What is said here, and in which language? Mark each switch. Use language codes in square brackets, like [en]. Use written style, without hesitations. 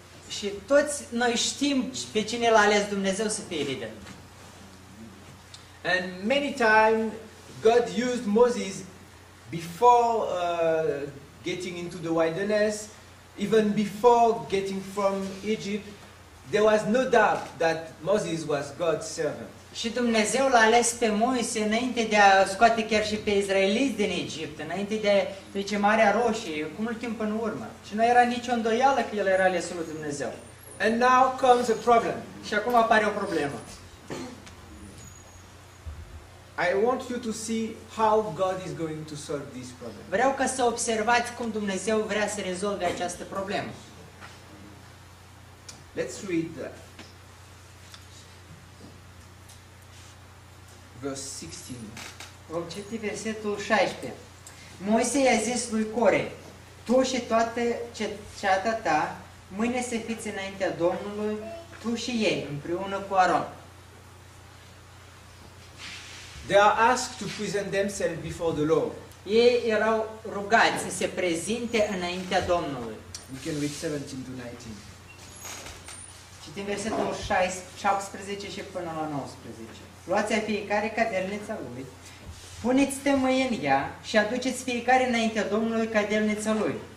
[ro] Și toți noi știm pe cine l-a ales Dumnezeu să fie lider. [en] And many times God used Moses before getting into the wilderness, even before getting from Egypt, there was no doubt that Moses was God's servant. [ro] Și Dumnezeu l-a ales pe Moise înainte de a scoate chiar și pe israeliți din Egipt, înainte de trece Marea Roșie, cu mult timp în urmă. Și nu era nicio îndoială că el era alesul lui Dumnezeu. [en] And now comes a problem. [ro] Și acum apare o problemă. [en] I want you to see how God is going to solve this problem. [ro] Vreau ca să observați cum Dumnezeu vrea să rezolve această problemă. [en] Let's read that. Verse 16. [ro] Vom citi versetul 16. Moise i-a zis lui Core, tu și toată cetatea ta, mâine să fiți înaintea Domnului, tu și ei, împreună cu Aron. [en] They are asked to present themselves before the Lord. [ro] Ei erau rugați să se prezinte înaintea Domnului. [en] We can read 17 to 19. [ro] Citim versetul 17 și până la 19. Luați fiecare cadelnița lui, puneți tămâie în ea și aduceți fiecare înaintea Domnului cadelnița lui.